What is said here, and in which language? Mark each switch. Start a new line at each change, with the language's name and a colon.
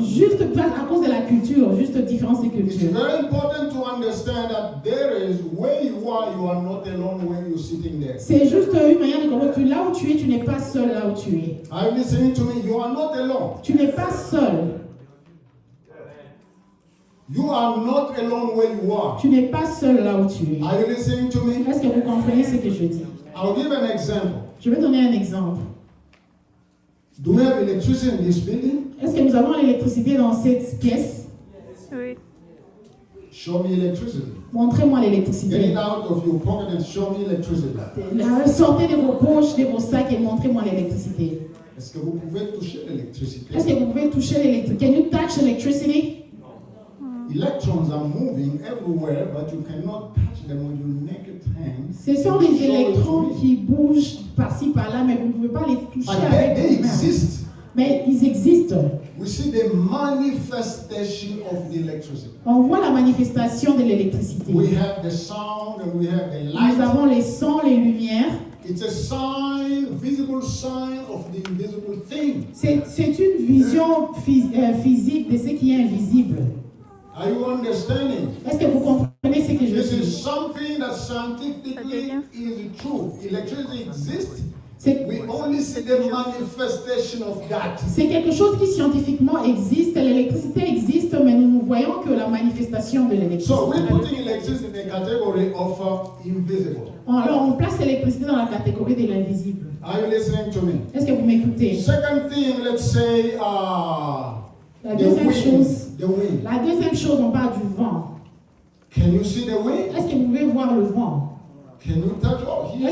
French: Juste à cause de la culture, juste différence de culture.
English: It's very important to understand that there is where you are not alone when you're sitting there.
French: C'est juste une manière de comprendre. Là où tu es, tu n'es pas seul là où tu es.
English: Are you listening to me? You are not alone.
French: Tu n'es pas seul.
English: You are not alone where you are.
French: Tu n'es pas seul là où tu es.
English: Are you listening to me?
French: Est-ce que vous comprenez ce que je dis?
English: I'll give an example.
French: Je vais donner un exemple.
English: Do we have electricity in this building?
French: Est-ce que nous avons l'électricité dans cette pièce? Oui.
English: Show me electricity.
French: Montrez-moi l'électricité.
English: Get it out of your pocket and show me electricity.
French: Sortez de vos poches, de vos sacs et montrez-moi l'électricité. Est-ce que vous pouvez toucher l'électricité? Est-ce que vous pouvez toucher l'électricité?
English: Can you touch electricity? Electrons are moving everywhere, but you cannot touch them with your naked hand.
French: Ce sont des électrons qui bougent par-ci par-là, mais vous ne pouvez pas les toucher avec vos mains.
English: They exist.
French: Mais ils existent.
English: We see the manifestation of the electricity.
French: On voit la manifestation de l'électricité.
English: We have the sound and we have the light.
French: Nous avons les sons, les lumières.
English: It's a sign, visible sign of the invisible thing.
French: C'est une vision physique de ce qui est invisible.
English: Are you understanding?
French: Est-ce que vous comprenez?
English: This is something that scientifically is true. Electricity exists. We only see the manifestation of that.
French: C'est quelque chose qui scientifiquement existe. L'électricité existe, mais nous ne voyons que la manifestation de l'électricité.
English: So we're putting electricity in the category of invisible.
French: Alors on place l'électricité dans la catégorie de l'invisible.
English: Are you listening to me?
French: Est-ce que vous m'écoutez?
English: Second thing, let's say
French: la deuxième chose.
English: The wind.
French: La deuxième chose, on parle du vent.
English: Can you see the wind?
French: Est-ce que vous pouvez voir le vent?
English: Can you touch? Oh, here's